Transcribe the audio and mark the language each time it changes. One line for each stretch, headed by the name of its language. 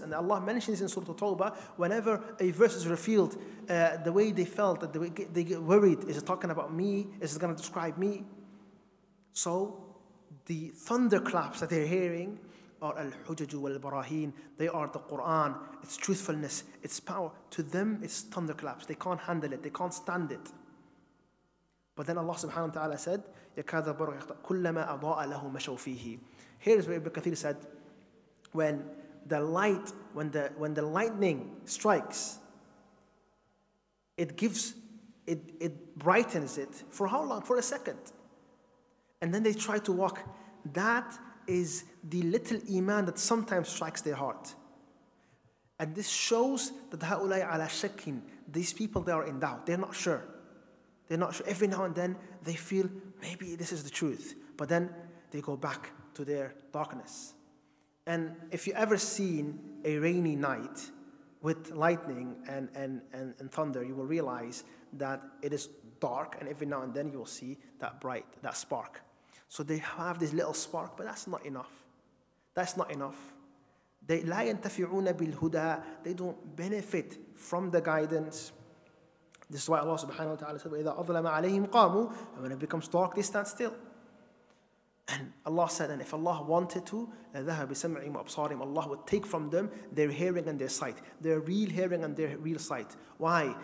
English: And Allah mentions in Surah Tawbah, whenever a verse is revealed, the way they felt, the way they get worried, is it talking about me? Is it going to describe me? So the thunderclaps that they're hearing are
Arabic: al-hujaju wal-barahin.
English: They are the Quran. It's truthfulness. It's power. To them, it's thunderclaps. They can't handle it. They can't stand it. But then Allah subhanahu wa ta'ala said,
Arabic: يَكَادَ الْبَرْقُ يَخْطَفُ كُلَّمَا أَضَاءَ لَهُ مَشَوْ فِيهِ.
English: Here's what Ibn Kathir said, when the lightning strikes, it brightens it. For how long? For a second. And then they try to walk. That is the little iman that sometimes strikes their heart. And this shows that
Arabic: هَؤُلَاءِ عَلَى شَكٍّ.
English: These people, they are in doubt. They're not sure. They're not sure. Every now and then they feel maybe this is the truth, but then they go back to their darkness. And if you ever seen a rainy night with lightning and thunder, you will realize that it is dark, and every now and then you will see that bright, that spark. So they have this little spark, but that's not enough. That's not enough. They
Arabic: لا ينتفعون بالهدى.
English: They don't benefit from the guidance. This is why Allah subhanahu wa ta'ala said,
Arabic: وَإِذَا أَظْلَمَ عَلَيْهِمْ قَامُوا.
English: And when it becomes dark, they stand still. And Allah said, and if Allah wanted to,
Arabic: لَذَهَبْ بِسَمْعِهِمْ وَأَبْصَارِهِمْ.
English: Allah would take from them their hearing and their sight. Their real hearing and their real sight. Why?